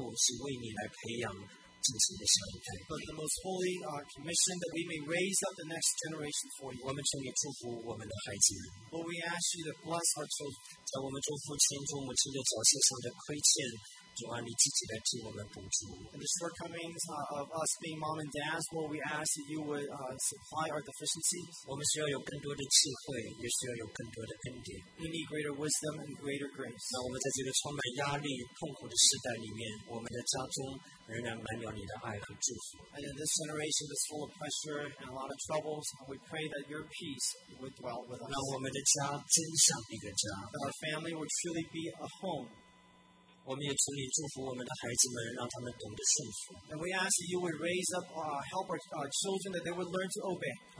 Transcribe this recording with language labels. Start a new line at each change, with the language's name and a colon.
Chinese: 而是给了我们一个最神圣荣耀的托付，是为你来培养自己的下一代,
English: but the most holy commission that we may raise up the next generation for you.
Chinese: 我们求你祝福我们的孩子们,
English: Lord, we ask you to bless our children.
Chinese: 在我们祝福前途母亲的早些上的亏欠, 主啊，你自己来替我们补足。
English: And the shortcomings of us being mom and dads, Lord, we ask that you would supply our deficiencies.
Chinese: 我们需要有更多的智慧，也需要有更多的恩典。
English: We need greater wisdom and greater grace.
Chinese: 那我们在这个充满压力、痛苦的时代里面，我们的家中仍然满有你的爱和祝福。
English: And in this generation that's full of pressure and a lot of troubles, we pray that your peace would dwell with us.
Chinese: 让我们的家真像一个家。
English: That our family would truly be a home.
Chinese: 我们也求你祝福我们的孩子们，让他们懂得顺服。
English: And we ask that you would raise up help our children that they would learn to obey.